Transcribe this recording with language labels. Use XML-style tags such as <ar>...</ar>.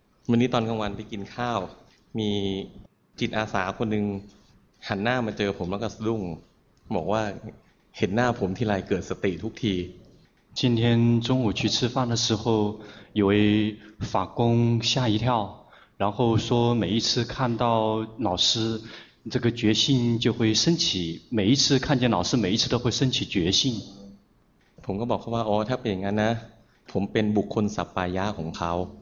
<th>วันนี้ตอนกลางวันไปกินข้าวมีจิตอาสาคนหนึ่งหันหน้ามาเจอผมแล้วก็สะดุ้งบอกว่าเห็นหน้าผมทีไรเกิดสติทุกที</th> <zh>今天中午去吃饭的时候，有位法工吓一跳，然后说每一次看到老师，这个觉性就会升起，每一次看见老师，每一次都会升起觉性。</zh> <th>ผมก็บอกเขาว่าอ๋อถ้าเป็นอย่างนั้นนะผมเป็นบุคคลสัปปายะของเขา</th>